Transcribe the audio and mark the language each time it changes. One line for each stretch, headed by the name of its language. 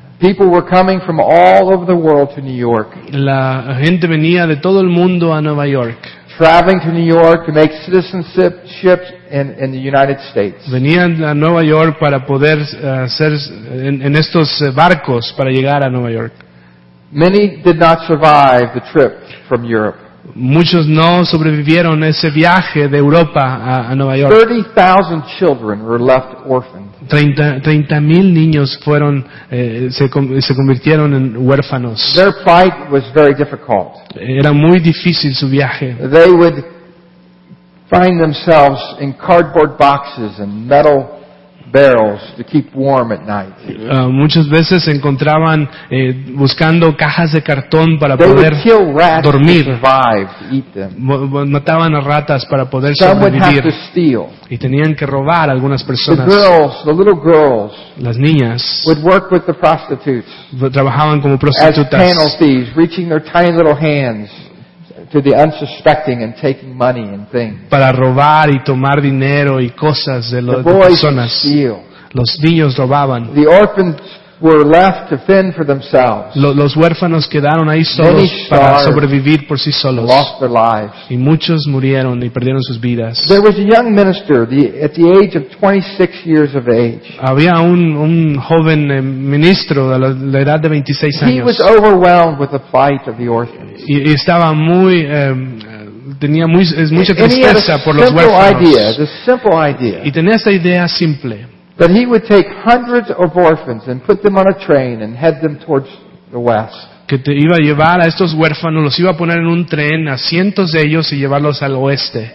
English: people were coming from all over the world to New York.
Spanish: La gente venía de todo el mundo a Nueva York.
English: Traveling to New York to make citizenship in the United States.
Spanish: Venían a Nueva York para poder ser en estos barcos para llegar a Nueva York.
English: Many did not survive the trip from Europe.
Spanish: Muchos no sobrevivieron ese viaje de Europa a Nueva York.
English: 30,000 children were left orphaned.
Spanish: 30,000 niños fueron se convirtieron en huérfanos.
English: Their fight was very difficult.
Spanish: Era muy difícil su viaje.
English: They would find themselves in cardboard boxes and metal barrels to keep warm at night.
Spanish: Muchas veces se encontraban buscando cajas de cartón para poder dormir. Mataban a ratas para poder sobrevivir. Y tenían que robar a algunas personas.
English: The little girls,
Spanish: las niñas
English: would work with the prostitutes,
Spanish: trabajaban como prostitutas.
English: As panel thieves, reaching their tiny little hands to the unsuspecting and taking money and things.
Spanish: Para robar y tomar dinero y cosas de las personas. Los niños robaban.
English: The orphans were left to fend for themselves.
Spanish: Los huérfanos quedaron ahí solos para sobrevivir por sí solos.
English: Lost their lives.
Spanish: Y muchos murieron y perdieron sus vidas.
English: There was a young minister at the age of 26 years of age.
Spanish: Había un joven ministro de la edad de 26 años.
English: He was overwhelmed with the plight of the orphans.
Spanish: Y estaba muy tenía mucha tristeza por los huérfanos.
English: A simple idea.
Spanish: Y tenía esta idea simple.
English: But he would take hundreds of orphans and put them on a train and head them towards the west.
Spanish: Que te iba a llevar a estos huérfanos, los iba a poner en un tren a cientos de ellos y llevarlos al oeste.